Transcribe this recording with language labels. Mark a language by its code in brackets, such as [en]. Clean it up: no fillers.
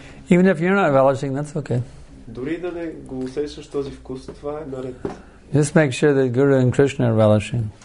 [en] Even if you're not relishing, that's okay. [bg] Дори да не го усещаш този вкус, това е наред. [en] Just make sure that Guru and Krishna are relishing.